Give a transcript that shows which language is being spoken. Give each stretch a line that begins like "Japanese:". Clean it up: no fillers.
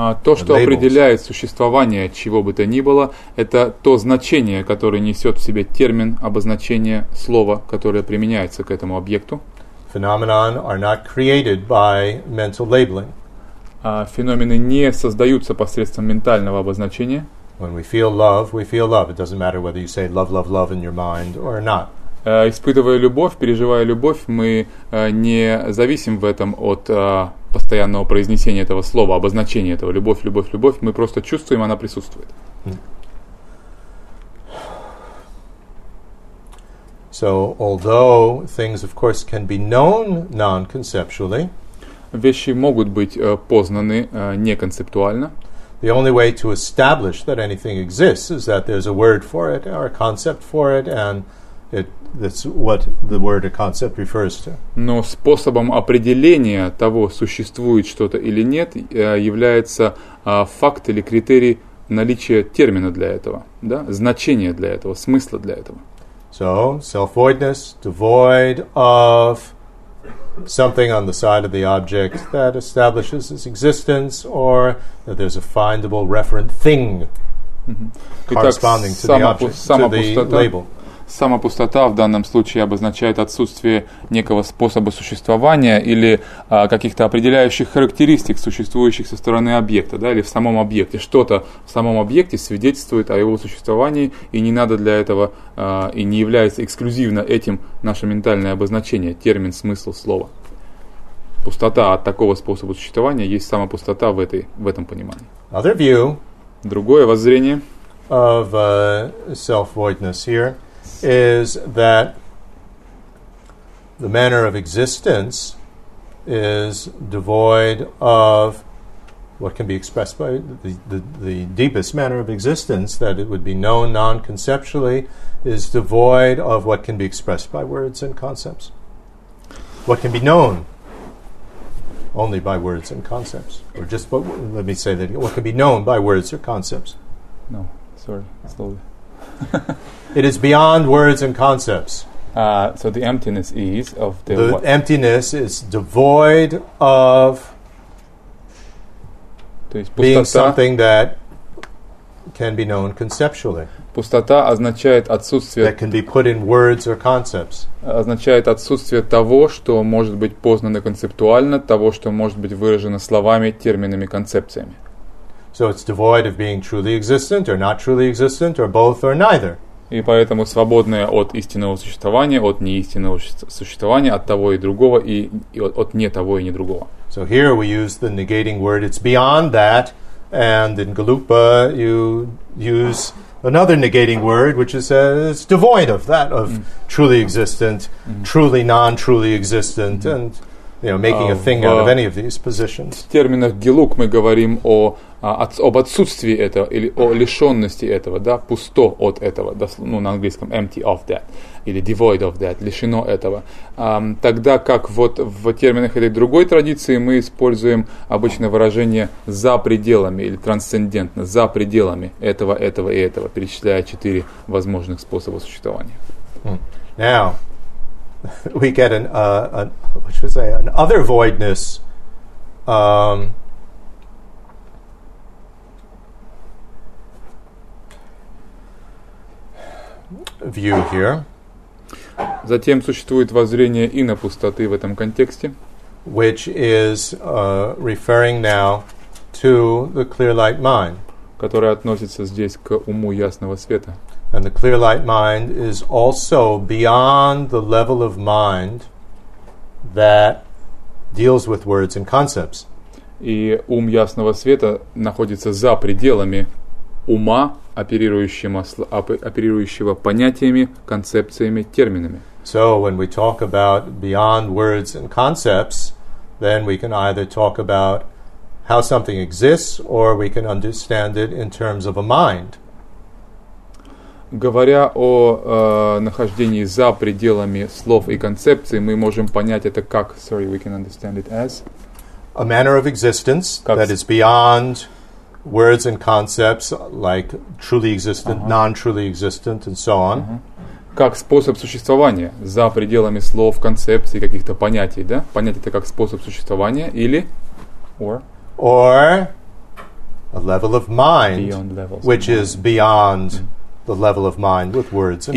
Russian: То, что определяет существование чего бы то ни было, это то значение, которое несет в себе термин, обозначение слова, которое применяется к этому объекту.
English: Phenomena are not created by mental labeling.
Russian: Феномены не создаются посредством ментального обозначения.
English: When we feel love, we feel love. It doesn't matter whether you say love, love, love in your mind or not.
Russian: Испытывая любовь, переживая любовь, мы не зависим в этом от постоянного произнесения этого слова, обозначения этого. Любовь, любовь, любовь. Мы просто чувствуем, она присутствует.
English: So, although things, of course, can be known non-conceptually,
Russian: вещи могут быть познаны неконцептуально.
English: The only way to establish that anything exists is that there's a word for it or a concept for it, and that's what the word or concept refers to.
Russian: Но способом определения того, существует что-то или нет, является факт или критерий наличия термина для этого, да? Значения для этого, смысла для этого.
English: So, self-voidness, devoid of something on the side of the object that establishes its existence, or that there's a findable referent thing corresponding to the label.
Russian: Самопустота в данном случае обозначает отсутствие некого способа существования или каких-то определяющих характеристик, существующих со стороны объекта, да, или в самом объекте. Что-то в самом объекте свидетельствует о его существовании, и не надо для этого, и не является эксклюзивно этим наше ментальное обозначение, термин, смысл, слово. Пустота от такого способа существования есть самопустота в этом понимании.
English: other view,
Russian: другое воззрение,
English: of self-voidness here, is that the manner of existence is devoid of what can be expressed by the deepest manner of existence, that it would be known non-conceptually, is devoid of what can be expressed by words and concepts. What can be known only by words and concepts. Or just, but let me say that again. What can be known by words or concepts? No, sorry, slowly. It is beyond words and concepts. So the emptiness is of the... The what? Emptiness is devoid of... Being something that can be known conceptually.
Russian: Пустота означает отсутствие...
English: That can be put in words or concepts.
Russian: Означает отсутствие того, что может быть познано концептуально, того, что может быть выражено словами, терминами, концепциями.
English: So it's devoid of being truly existent or not truly existent or both or neither.
Russian: И поэтому свободное от истинного существования, от неистинного существования, от того и другого, и от не того и не другого.
English: So here we use the negating word, it's beyond that, and in Galupa you use another negating word, which is it's devoid of that, of truly existent, truly non-truly existent, and you know, making a thing out of any of these positions.
Russian: В терминах Гелук мы говорим о, об отсутствии этого, или о лишенности этого, да, пусто от этого, ну, на английском
English: empty of that,
Russian: или
English: devoid of that,
Russian: лишено этого. Тогда как вот в терминах этой другой традиции мы используем обычно выражение за пределами, или трансцендентно, за пределами этого, этого и этого, перечисляя четыре возможных способа существования.
English: Now, we get an other voidness, view here.
Russian: Затем существует воззрение инопустоты в этом контексте,
English: which is referring now to the clear light mind,
Russian: которое относится здесь к уму ясного света.
English: And the clear light mind is also beyond the level of mind that deals with words and concepts.
Russian: И ум ясного света находится за пределами ума, оперирующего понятиями, концепциями, терминами.
English: So when we talk about beyond words and concepts, then we can either talk about how something exists or we can understand it in terms of a mind.
Russian: Говоря о нахождении за пределами слов и концепций, мы можем понять это как,
English: sorry, we can understand it as a manner of existence that is beyond words and concepts, like truly existent, non-truly existent, and so on.
Russian: Как способ существования за пределами слов, концепций, каких-то понятий, да? Понятие это как способ существования или
English: or a level of mind beyond levels, which is beyond the level of mind with words and